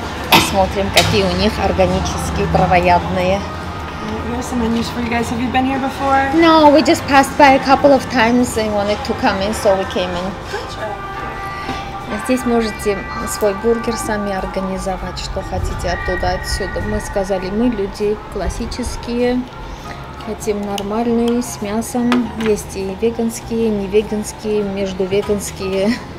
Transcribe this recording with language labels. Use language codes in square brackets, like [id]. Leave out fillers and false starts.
[ru] Посмотрим, какие у них органические травоядные. [en] No, we just passed by a couple of times and wanted to come in, so we came in. [ru] Здесь можете свой бургер сами организовать, что хотите оттуда, отсюда. Мы сказали, мы люди классические, хотим нормальные, с мясом. Есть и веганские, не веганские, между веганские.